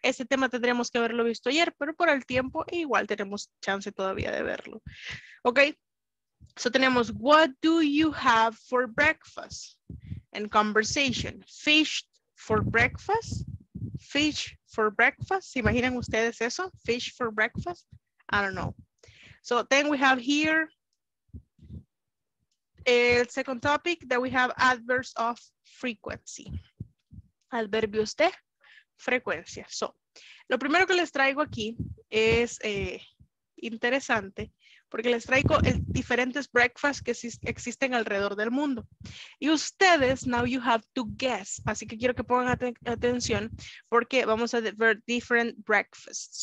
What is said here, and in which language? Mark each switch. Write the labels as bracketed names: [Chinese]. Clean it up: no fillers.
[Spanish] Este tema tendríamos que haberlo visto ayer, pero por el tiempo igual tenemos chance todavía de verlo. [English] Okay, so [Spanish] tenemos [English] what do you have for breakfast? And conversation, fish for breakfast. [Spanish] ¿Se imaginan ustedes eso? [English] Fish for breakfast? I don't know. So then we have here el second topic that we have adverbs of frequency. [Spanish] Adverbios de frecuencia. So, lo primero que les traigo aquí es interesante porque les traigo el diferentes breakfasts que existen alrededor del mundo. Y ustedes, [English] now you have to guess. [Spanish] Así que quiero que pongan atención porque vamos a ver [English] different breakfasts.